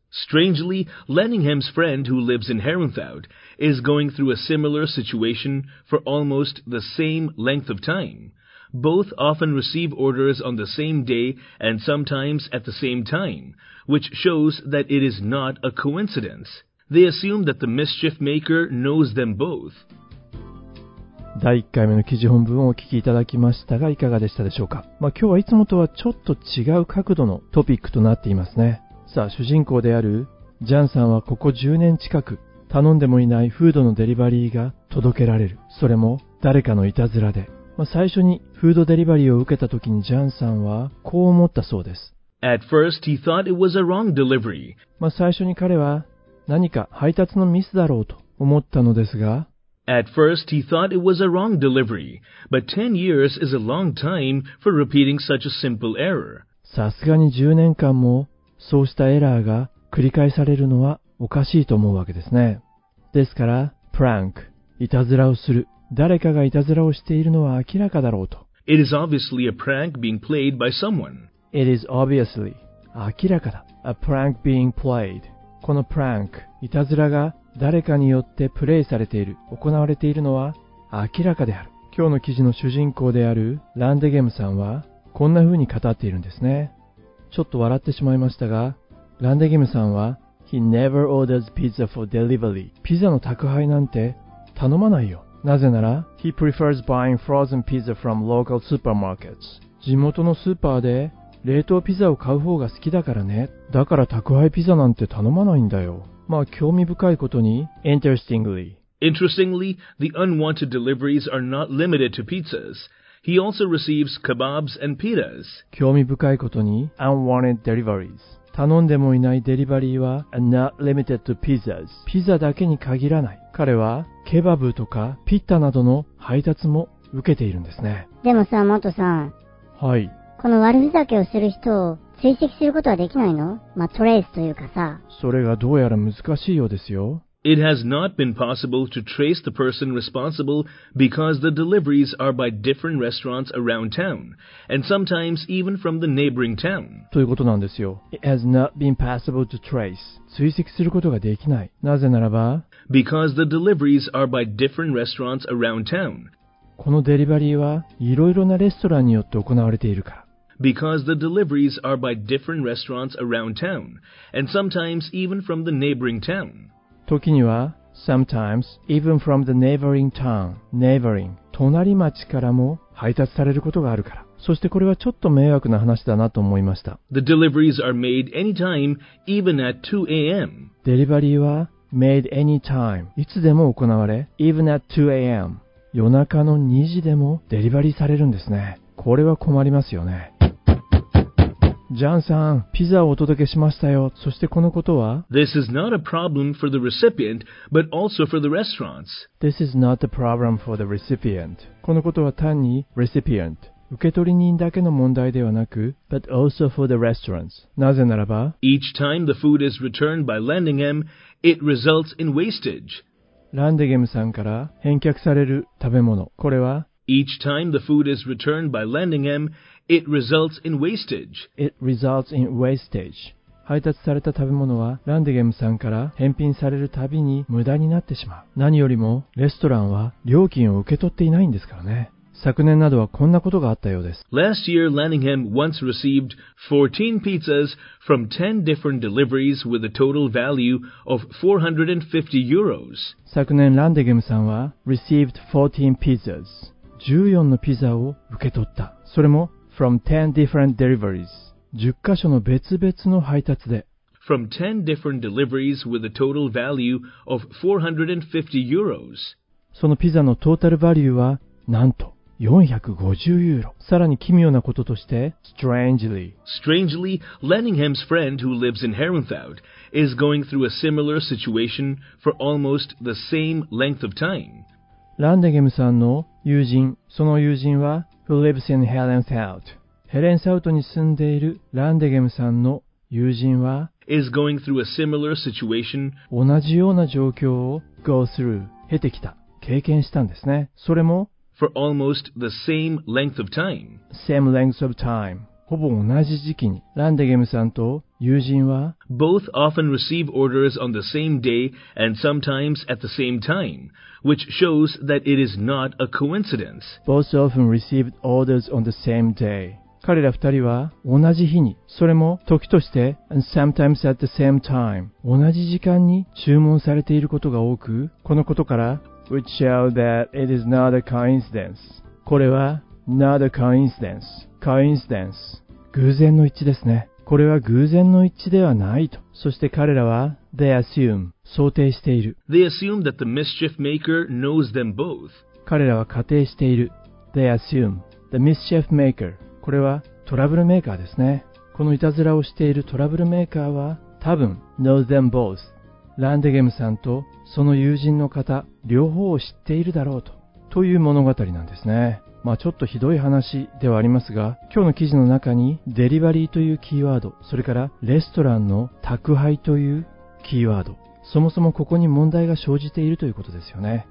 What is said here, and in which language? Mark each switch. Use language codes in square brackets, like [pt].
[en] Strangely, Landegem's friend who lives in Herrenfeld is going through a similar situation for almost the same length of time. Both often receive orders on the same day and sometimes at the same time, which shows that it is not a coincidence. They assume that the mischief maker knows them both. [ja] 第1回目の記事本文をお聞きいただきましたが、いかがでしたでしょうか。まあ、今日はいつもとはちょっと違う角度のトピックとなっていますね。さあ、主人公であるジャンさんはここ10年近く頼んでもいないフードのデリバリーが届けられる。それも誰かのいたずらで。まあ、最初にフードデリバリーを受けた時にジャンさんはこう思ったそうです。 [en] At first he thought it was a wrong delivery. [ja] まあ、最初に彼は何か配達のミスだろうと思ったのですが、 [en] At first, he thought it was a wrong delivery, but 10 years is a long time for repeating such a simple error. [ja] さすがに10年間もそうしたエラーが繰り返されるのはおかしいと思うわけですね。ですから、prank、いたずらをする、誰かがいたずらをしているのは明らかだろうと。 [en] It is obviously a prank being played by someone. It is obviously, [ja] 明らかだ。 [en] A prank being played. [ja] この prank、いたずらが誰かによってプレイされている、行われているのは明らかである。今日の記事の主人公であるランデゲムさんはこんな風に語っているんですね。ちょっと笑ってしまいましたが、ランデゲムさんは [en] He never orders pizza for delivery. [ja] ピザの宅配なんて頼まないよ。なぜなら [en] He prefers buying frozen pizza from local supermarkets. [ja] 地元のスーパーで冷凍ピザを買う方が好きだからね。だから宅配ピザなんて頼まないんだよ。まあ興味深いことに [en] Interestingly, the unwanted deliveries are not limited to pizzas. He also receives kebabs and pitas. [ja] 興味深いことに [en] Unwanted deliveries. [ja] 頼んでもいないデリバリーは [en] And not limited to pizzas. [ja] ピザだけに限らない。彼はケバブとかピッタなどの配達も受けているんですね。でもさ、元さん。はい。この悪ふざけをする人を追跡することはできないの？まあ、トレースというかさ。それがどうやら難しいようですよ。 [en] It has not been possible to trace the person responsible because the deliveries are by different restaurants around town, and sometimes even from the neighboring town. [ja] ということなんですよ。 [en] It has not been possible to trace. [ja] 追跡することができない。なぜならば、 [en] Because the deliveries are by different restaurants around town. [ja] このデリバリーはいろいろなレストランによって行われているから。 [en] Because the deliveries are by different restaurants around town, and sometimes even from the neighboring town. [ja] 時には、 [en] sometimes, even from the neighboring town, neighboring, [ja] 隣町からも配達されることがあるから。そしてこれはちょっと迷惑な話だなと思いました。 [en] The deliveries are made anytime, even at 2 a.m. [ja] デリバリーは、 [en] made anytime, [ja] いつでも行われ、 [en] even at 2 a.m. [ja] 夜中の2時でもデリバリーされるんですね。これは困りますよね。ジャンさん、ピザをお届けしましたよ。そしてこのことは [en] This is not a problem for the recipient, but also for the restaurants. This is not a problem for the recipient. [ja] このことは単に recipient、受け取り人だけの問題ではなく [en] but also for the restaurants. [ja] なぜならば [en] Each time the food is returned by Landingham, it results in wastage. [ja] ランデゲムさんから返却される食べ物、これは [en] Each time the food is returned by Landingham,It results in wastage. It results in wastage. [ja] 配達された食べ物はランデゲムさんから返品されるたびに無駄になってしまう。何よりもレストランは料金を受け取っていないんですからね。昨年などはこんなことがあったようです。 [en] Last year, Landingham once received 14 pizzas from 10 different deliveries with a total value of 450 euros. [ja] 昨年ランデゲムさんは [en] received 14 pizzas. [ja] 14のピザを受け取った。それも [en] From 10 different deliveries. [ja] 10カ所の別々の配達で。 [en] From 10 different deliveries with a total value of 450 euros. [ja] そのピザのトータルバリューは、なんと、450ユーロ。さらに奇妙なこととして、 [en] Strangely, Lenningham's friend who lives in Herrenfeld is going through a similar situation for almost the same length of time. [ja] ランデゲムさんの友人、その友人は、 [en] Who lives in Herrenfeld? [ja] ヘレンサウトに住んでいるランデゲムさんの友人は [en] is going through a similar situation. [ja] 同じような状況を [en] go through [ja] 経てきた経験したんですね。それも [en] for almost the same length of time. Same length of time. [ja] ほぼ同じ時期にランデゲムさんと友人は [en] both often receive orders on the same day and sometimes at the same time. Which shows that it is not a coincidence. Both often received orders on the same day. [ja] 彼ら二人は同じ日に、それも時として、 [en] and sometimes at the same time. [ja] 同じ時間に注文されていることが多く、このことから、 [en] Which shows that it is not a coincidence. [ja] これは、 [en] not a coincidence. Coincidence. [ja] 偶然の一致ですね。これは偶然の一致ではないと。そして彼らは、 [en] They assume, [ja] 想定している。 [en] They assume that the mischief maker knows them both. [ja] 彼らは仮定している。 [en] They assume, the mischief maker. [ja] これはトラブルメーカーですね。このいたずらをしているトラブルメーカーは、多分、 [en] knows them both. [ja] ランデゲムさんとその友人の方両方を知っているだろうと、という物語なんですね。まあちょっとひどい話ではありますが、今日の記事の中にデリバリーというキーワード、それからレストランの宅配というキーワード、そもそもここに問題が生じているということですよね。